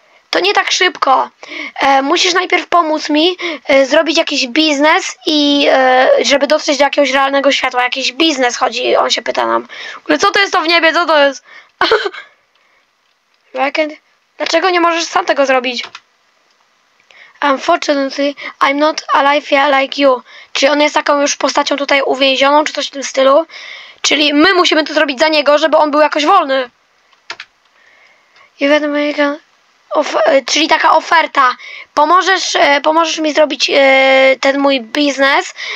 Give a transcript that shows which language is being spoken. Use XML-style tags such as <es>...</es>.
<pl>To nie tak szybko. Musisz najpierw pomóc mi zrobić jakiś biznes i żeby dotrzeć do jakiegoś realnego światła. Jakiś biznes chodzi, on się pyta nam. Ale co to jest to w niebie? Co to jest? Dlaczego nie możesz sam tego zrobić?</pl> <en>Unfortunately, I'm not alive here like you.</en> <pl>Czyli on jest taką już postacią tutaj uwięzioną, czy coś w tym stylu. Czyli my musimy to zrobić za niego, żeby on był jakoś wolny.</pl> <en>Even make a...</en> <pl>czyli taka oferta. Pomożesz mi zrobić ten mój biznes.</pl>